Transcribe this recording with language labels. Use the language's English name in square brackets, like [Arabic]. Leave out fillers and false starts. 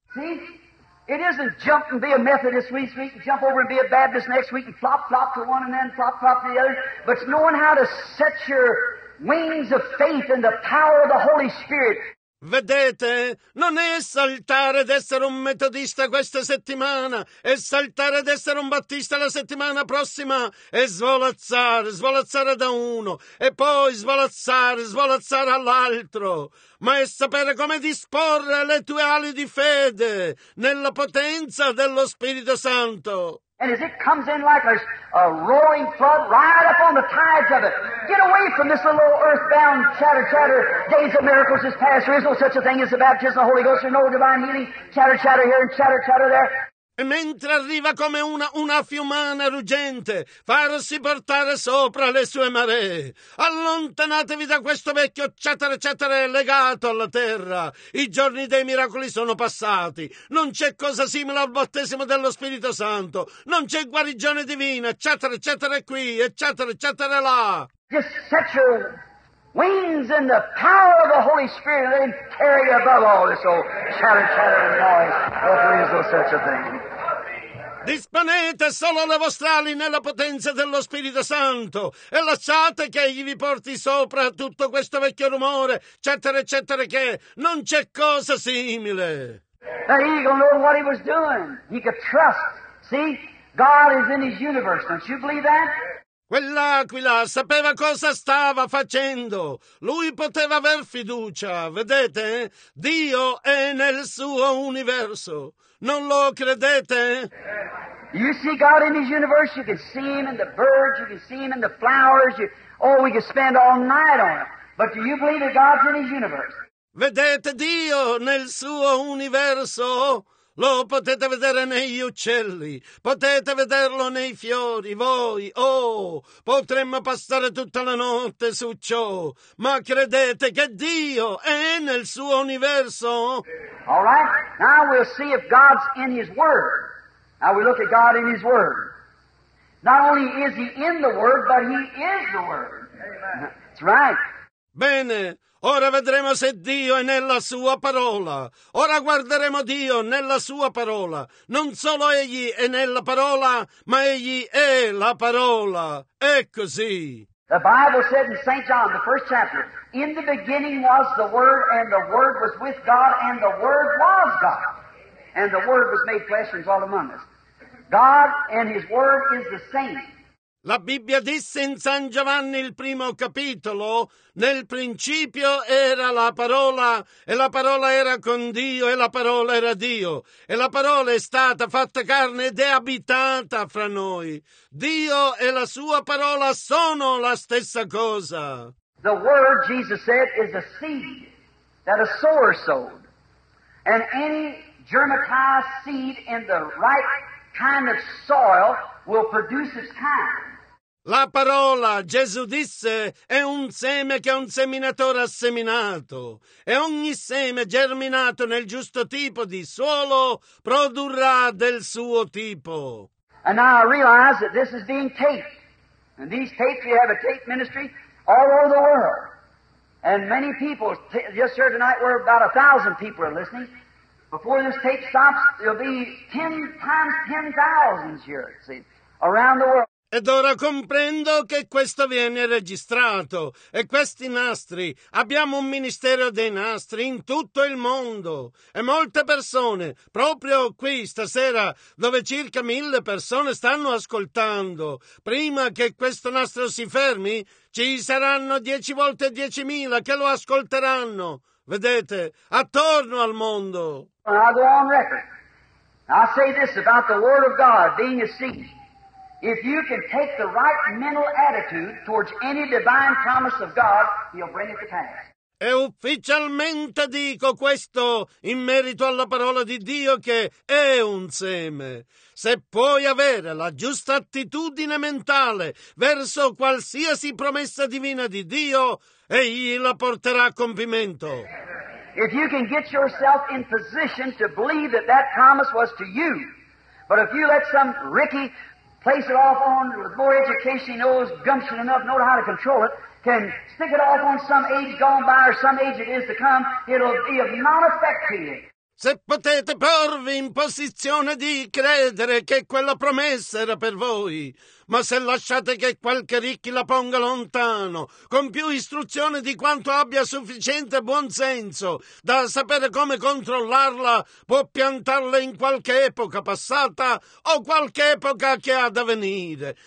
[English] See, it isn't jump and be a Methodist week, we can jump over and be a Baptist next week and flop, flop to one and then flop, flop to the other. But it's knowing how to set your wings of faith in the power of the Holy Spirit. [Italian] Vedete, non è saltare ed essere un metodista questa settimana, è saltare ed essere un battista la settimana prossima, è svolazzare, svolazzare da uno, e poi svolazzare, svolazzare all'altro, ma è sapere come disporre le tue ali di fede nella potenza dello Spirito Santo. [English] And as it comes in like a roaring flood, ride up on the tides of it. Get away from this little old earthbound chatter, chatter. Days of miracles is past. There is no such a thing as the baptism of the Holy Ghost. There's no divine healing. Chatter, chatter here and chatter, chatter there. [Italian] E mentre arriva come una fiumana ruggente, farsi portare sopra le sue maree. Allontanatevi da questo vecchio [English] chatter chatter [Italian] legato alla terra. I giorni dei miracoli sono passati. Non c'è cosa simile al battesimo dello Spirito Santo. Non c'è guarigione divina. [English] Chatter chatter [Italian] qui e [English] chatter chatter [Italian] là. [English] Just set your wings in the power of the Holy Spirit and then carry above all this old chatter chatter noise. There is no such a thing. [Italian] Disponete solo le vostre ali nella potenza dello Spirito Santo e lasciate che egli vi porti sopra tutto questo vecchio rumore, eccetera, eccetera, che non c'è cosa simile. [English] The eagle knew what he was doing. He could trust. See? God is in his universe. Don't you believe that? [Italian] Quell'aquila sapeva cosa stava facendo. Lui poteva aver fiducia. Vedete? Dio è nel suo universo. Non lo credete? [English] You see God in his universe, you can see him in the birds, you can see him in the flowers, we can spend all night on him. But do you believe that God's in his universe? [Italian] Vedete Dio nel suo universo? Lo potete vedere negli uccelli, potete vederlo nei fiori, voi, oh, potremmo passare tutta la notte su ciò, ma credete che Dio è nel suo universo? [English] All right, now we'll see if God's in His Word. Now we look at God in His Word. Not only is He in the Word, but He is the Word. Amen. That's right. [Italian] Bene, ora vedremo se Dio è nella sua parola. Ora guarderemo Dio nella sua parola. Non solo Egli è nella parola, ma Egli è la parola. È così. [English] The Bible said in St. John, the first chapter, in the beginning was the Word, and the Word was with God, and the Word was God. And the Word was made flesh and dwelt among us. God and His Word is the same. [Italian] La Bibbia disse in San Giovanni il primo capitolo, nel principio era la parola, e la parola era con Dio, e la parola era Dio, e la parola è stata fatta carne ed è abitata fra noi. Dio e la sua parola sono la stessa cosa. [English] The word, Jesus said, is a seed that a sower sowed. And any germatized seed in the right kind of soil will produce its kind. [Italian] La parola, Gesù disse, è un seme che un seminatore ha seminato. E ogni seme germinato nel giusto tipo di suolo produrrà del suo tipo. [English] And now I realize that this is being taped. And these tapes, we have a tape ministry all over the world. And many people, just here tonight, we're about 1,000 people are listening. Before this tape stops, there'll be 10 times 10,000 here, see, around the world. [Italian] Ed ora comprendo che questo viene registrato, e questi nastri, abbiamo un ministero dei nastri in tutto il mondo, e molte persone, proprio qui stasera, dove circa 1,000 persone stanno ascoltando, prima che questo nastro si fermi, ci saranno 10 volte 10,000 che lo ascolteranno, vedete, attorno al mondo. [English] I go on record. I say this about the Word of God being a seed. If you can take the right mental attitude towards any divine promise of God, He'll bring it to pass. [Italian] E ufficialmente dico questo in merito alla parola di Dio che è un seme. Se puoi avere la giusta attitudine mentale verso qualsiasi promessa divina di Dio, Egli la porterà a compimento. [English] If you can get yourself in position to believe that that promise was to you, but if you let some Ricky place it off on, with more education, knows gumption enough, know how to control it, can stick it off on some age gone by or some age it is to come, it'll be of non effect to you. [Italian] Se potete porvi in posizione di credere che quella promessa era per voi, ma se lasciate che qualche ricchi la ponga lontano, con più istruzione di quanto abbia sufficiente buon senso da sapere come controllarla, può piantarla in qualche epoca passata o qualche epoca che ha da venire.